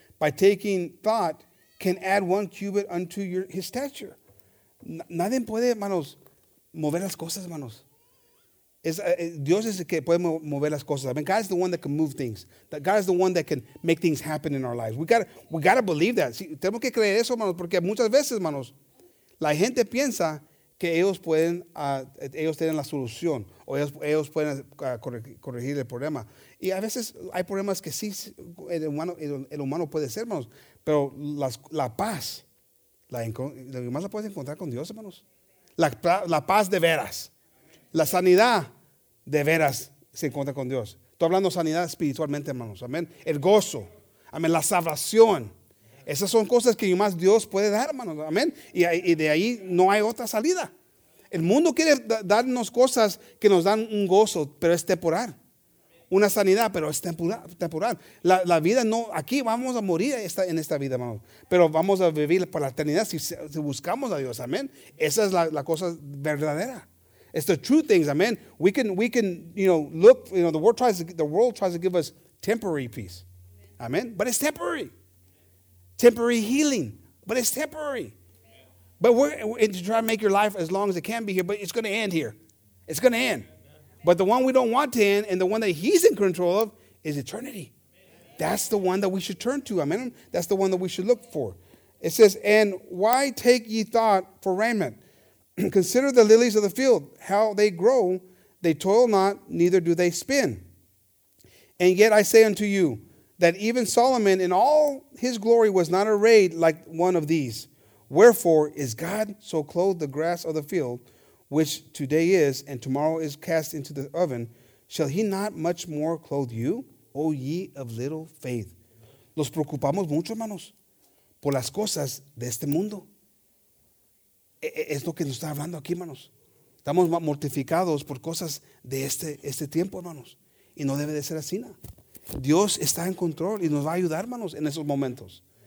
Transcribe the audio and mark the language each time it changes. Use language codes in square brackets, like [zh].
[en] by taking thought can add one cubit unto your his stature. [es] Nadie puede, hermanos, mover las cosas, hermanos. Dios es el que puede mover las cosas. [en] I mean, God is the one that can move things. That God is the one that can make things happen in our lives. We gotta believe that. [es] Sí, tenemos que creer eso, hermanos, porque muchas veces, hermanos, la gente piensa que ellos pueden, ellos tienen la solución o ellos pueden corregir el problema. Y a veces hay problemas que sí el humano puede ser, hermanos, pero la paz, lo que más la puedes encontrar con Dios, hermanos. La paz de veras. La sanidad de veras se encuentra con Dios. Estoy hablando de sanidad espiritualmente, hermanos. Amén. El gozo. Amén. La salvación. Esas son cosas que más Dios puede dar, hermanos. Amén. Y de ahí no hay otra salida. El mundo quiere darnos cosas que nos dan un gozo, pero es temporal. Una sanidad, pero es temporal. La vida no, aquí vamos a morir en esta vida, hermanos. Pero vamos a vivir para la eternidad si buscamos a Dios. Amén. Esa es la cosa verdadera. [en] It's the true things, amen. We can, you know, look, you know, the world tries to give us temporary peace. Amen. But it's temporary. Temporary healing. But it's temporary. But we're to try to make your life as long as it can be here, but it's gonna end here. It's gonna end. But the one we don't want to end, and the one that he's in control of, is eternity. That's the one that we should turn to. Amen. That's the one that we should look for. It says, and why take ye thought for raiment? Consider the lilies of the field, how they grow, they toil not, neither do they spin. And yet I say unto you, that even Solomon in all his glory was not arrayed like one of these. Wherefore is God so clothed the grass of the field, which today is, and tomorrow is cast into the oven, shall he not much more clothe you, O ye of little faith? [es] Nos preocupamos mucho, hermanos, por las cosas de este mundo. Es lo que nos está hablando aquí, hermanos. Estamos mortificados por cosas de este tiempo, hermanos. Y no debe de ser así, ¿no? Dios está en control y nos va a ayudar, hermanos, en esos momentos.